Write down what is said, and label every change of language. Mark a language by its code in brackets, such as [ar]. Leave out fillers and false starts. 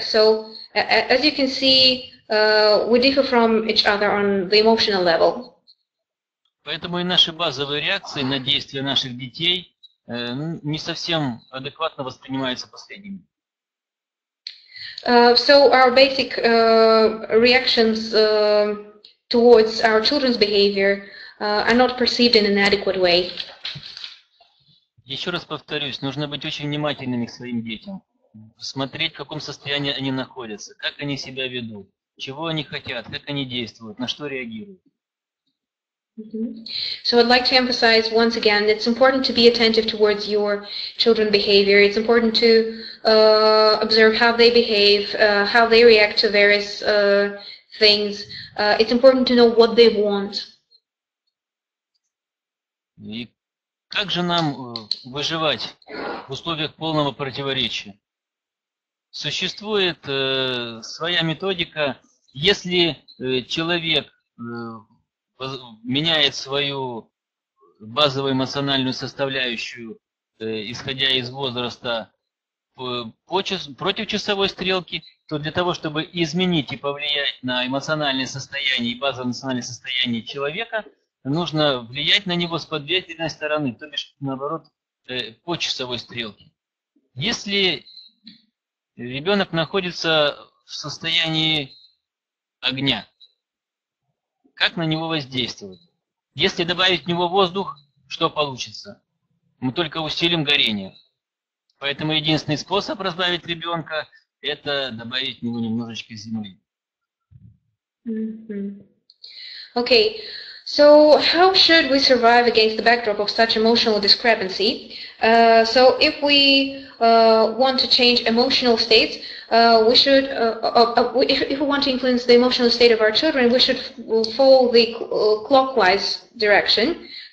[en] So as you can see, we differ from each other on the emotional level. [ru] Поэтому и наши базовые реакции на действия наших детей не совсем адекватно воспринимаются последними. [en] So our basic reactions towards our children's behavior are not perceived in an adequate way. [ru] Еще раз повторюсь, нужно быть очень внимательными к своим детям, смотреть, в каком состоянии они находятся, как они себя ведут, чего они хотят, как они действуют, на что реагируют. [en] So I'd like to emphasize once again, it's important to be attentive towards your children's behavior. It's important to observe how they behave, how they react to various things. It's important to know what they want. [ru] И как же нам выживать в условиях полного противоречия? Существует своя методика, если человек меняет свою базовую эмоциональную составляющую, исходя из возраста, против часовой стрелки, то для того, чтобы изменить и повлиять на эмоциональное состояние и базовое эмоциональное состояние человека, нужно влиять на него с подветренной стороны, то бишь, наоборот, по часовой стрелке. Если ребенок находится в состоянии огня, как на него воздействовать? Если добавить в него воздух, что получится? Мы только усилим горение. Поэтому единственный способ разбавить ребенка – это добавить в него немножечко земли. [en] Okay, so how should we survive against the backdrop of such emotional discrepancy? So if we want to change emotional states, we should, if we want to influence the emotional state of our children, we should follow the clockwise direction.